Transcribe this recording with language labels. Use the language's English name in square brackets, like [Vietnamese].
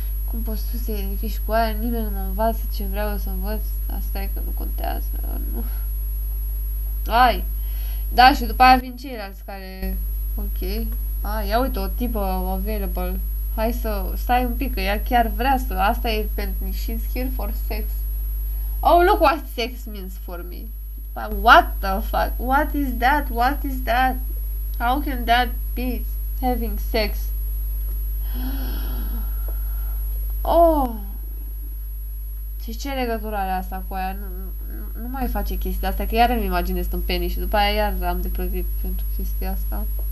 [Romanian] Cum poți tu să te ridici cu aia? Nimeni nu mă învață ce vreau să învăț. Asta e că nu contează, nu? Ai! Da, și după aia vin ceilalți care... Ok. A, ia uite, o tipă available. Hai să stai un pic, că ea chiar vrea să... Asta e pentru... [English] She's here for sex. Oh, look what sex means for me. But what the fuck? What is that? What is that? How can that be having sex? Oh. [Romanian] Și ce legătură are asta cu aia? Nu mai face chestia asta, că iar îmi imaginez un penis și după aia iar am de plătit pentru chestia asta.